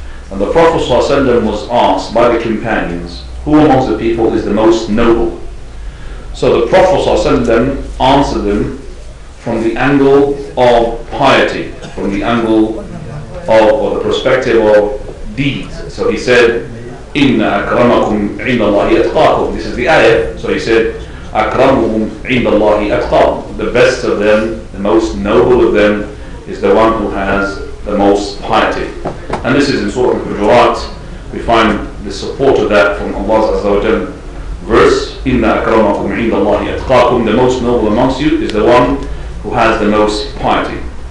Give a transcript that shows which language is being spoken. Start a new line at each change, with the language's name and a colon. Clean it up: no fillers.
English: And the Prophet ﷺ was asked by the companions, who amongst the people is the most noble? So the Prophet ﷺ answered them from the angle of piety, from the angle of, or the perspective of deeds. So he said,
Arabic: إِنَّ أَكْرَمَكُمْ عِنَّ اللَّهِ أَتْقَاكُمْ.
English: This is the ayah. So he said,
Arabic: أَكْرَمُهُمْ عِنَّ اللَّهِ أَتْقَاكُمْ.
English: The best of them, the most noble of them, is the one who has the most piety. And this is in Surah Al-Hujurat. We find the support of that from Allah's Azza wa Jal verse,
Arabic: إِنَّ أَكْرَمَكُمْ عِنَّ اللَّهِ أَتْقَاكُمْ.
English: The most noble amongst you is the one who has the most piety.